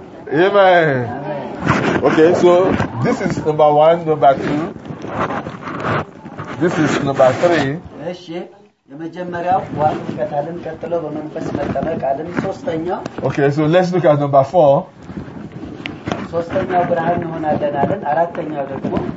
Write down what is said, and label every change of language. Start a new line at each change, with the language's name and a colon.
English: Amen. Okay, so this is number one, number two. This is number 3.
Amharic: እሺ የመጀመሪያው ዋን ከታለን ከተለው በመንፈስ መጠመቅ አለን ሶስተኛው.
English: Okay, so let's look at number 4.
Amharic: ሶስተኛው ብርሃን መሆን አለን አራተኛው ደግሞ.